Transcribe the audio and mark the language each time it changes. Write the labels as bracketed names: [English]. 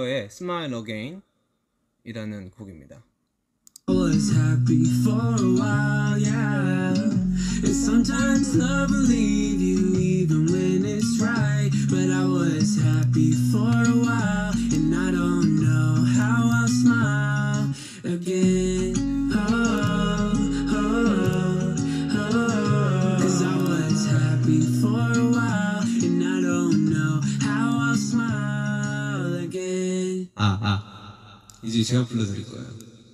[Korean] Smile Again 이라는 곡입니다. [English] I was happy for a while, yeah. It's sometimes love will leave you even when it's right. But I was happy for a while, and I don't know how I'll smile again. Oh, oh, oh, oh. Cause I was happy for a while, and I don't know how I'll smile again. [Korean] 아아 이제 제가 불러드릴 거예요.